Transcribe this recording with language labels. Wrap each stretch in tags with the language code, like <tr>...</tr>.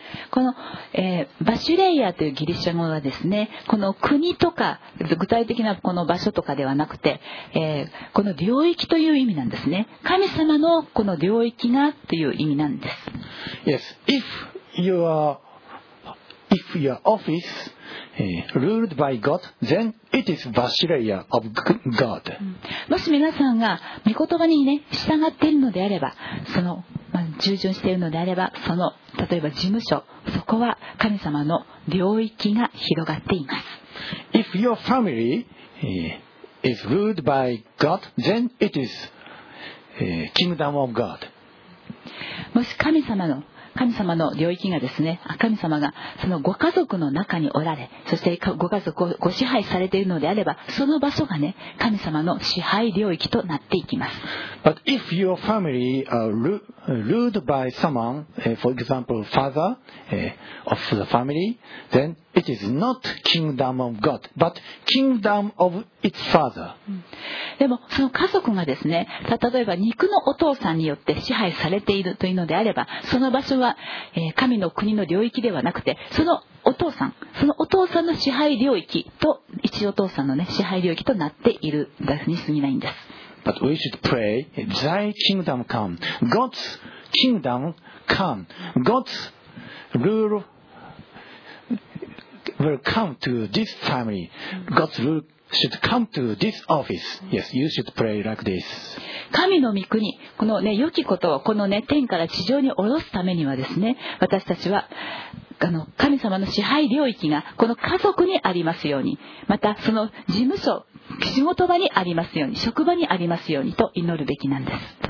<ja>この、バシュレイヤというギリシャ語はですね、この国とか具体的なこの場所とかではなくて、この領域という意味なんですね。神様のこの領域がという意味なんです。</ja> <en>Yes, if your office ruled by God, then it is Basileia of God.</en> <ja>もし皆さんが御言葉にね、従っているのであれば、その、従順しているのであれば、その、例えば事務所、そこは神様の領域が広がっています。</ja> <en>If your family is ruled by God, then it is kingdom of God.</en> <ja>もし神様の神様の領域がですね、神様がそのご家族の中におられ、そしてご家族をご支配されているのであれば、その場所がね、神様の支配領域となっていきます。</ja> <en>But if your family are ruled by someone, for example, father of the family, then it is not kingdom of God, but kingdom of its father.</en> <ja>でもその家族がですね、例えば肉のお父さんによって支配されているというのであれば、その場所は神の国の領域ではなくて、そのお父さん、そのお父さんの支配領域と、一お父さんの、ね、支配領域となっているだけに過ぎないんです。</ja> <en>But we should pray, Thy kingdom come, God's kingdom come, God's rule will come to this family, God's rule. Should come to this office. Yes, you should pray like this.</en> <ja>神の御国、このね、良きことをこのね、天から地上に下ろすためにはですね、私たちは神様の支配領域がこの家族にありますように、またその事務所、仕事場にありますように、職場にありますようにと祈るべきなんです。</ja>